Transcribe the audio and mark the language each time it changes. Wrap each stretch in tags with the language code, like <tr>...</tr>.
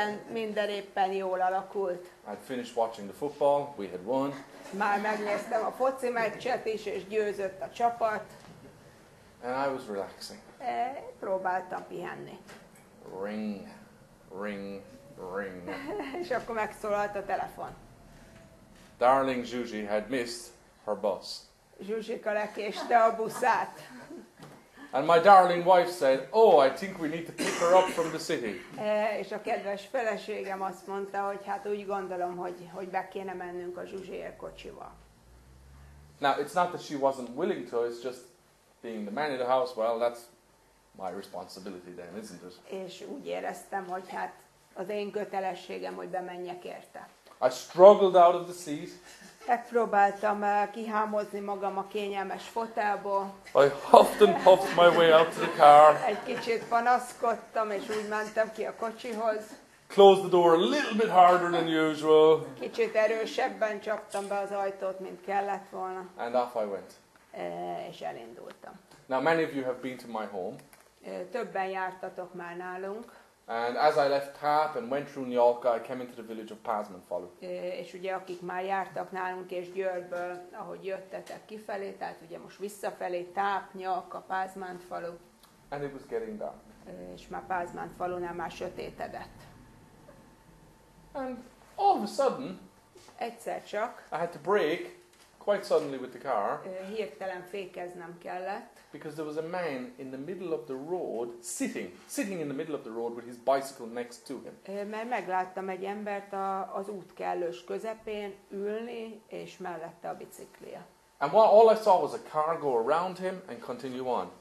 <hu>Minden éppen jól alakult.</hu> <en>I'd finished watching the football, we had won.</en> <hu>Már megnéztem a foci meccset is, és győzött a csapat.</hu> <en>And I was relaxing.</en> <hu>Próbáltam pihenni.</hu> <en>Ring, ring, ring.</en> <hu>És akkor megszólalt a telefon.</hu> <en>Darling Zsuzsi had missed her bus.</en> <hu>Zsuzsika lekéste a buszát.</hu> <en>And my darling wife said, "Oh, I think we need to pick her up from the city."</en> <hu>És a kedves feleségem azt mondta, hogy hát úgy gondolom, hogy be kéne mennünk a Zsuzsiért kocsival.</hu> <en>Now, it's not that she wasn't willing to, it's just being the man of the house, well, that's my responsibility then, isn't it?</en> <hu>És úgy éreztem, hogy hát az én kötelességem, hogy bemenjek érte.</hu> <en>I struggled out of the seat.</en> <hu>Megpróbáltam kihámozni magam a kényelmes fotelból.</hu> <en>I huffed and puffed my way out to the car.</en> <hu>Egy kicsit panaszkodtam, és úgy mentem ki a kocsihoz.</hu> <en>Closed the door a little bit harder than usual.</en> <hu>Kicsit erősebben csaptam be az ajtót, mint kellett volna.</hu> <en>And off I went.</en> <hu>És elindultam.</hu> <en>Now many of you have been to my home.</en> <hu>Többen jártatok már nálunk.</hu> <en>And as I left Tap and went through Nyalka, I came into the village of Pázmányfalu.</en> <hu>És ugye akik már jártak nálunk és Győrből, ahogy jöttetek kifelé, tehát ugye most visszafelé Tap, Nyalka, Pázmányfalu.</hu> <en>And it was getting dark.</en> <hu>És már Pázmányfalunál már sötétedett.</hu> <en>And all of a sudden,</en> <hu>egyszer csak,</hu> <en>I had to brake quite suddenly with the car.</en> <hu>Hirtelen fékeznem kellett.</hu> <en>Because there was a man in the middle of the road, sitting in the middle of the road with his bicycle next to him.</en> <hu>Mert megláttam egy embert az út kellős közepén ülni, és mellette a biciklia.</hu> <en>And what all I saw was a car go around him and continue on.</en>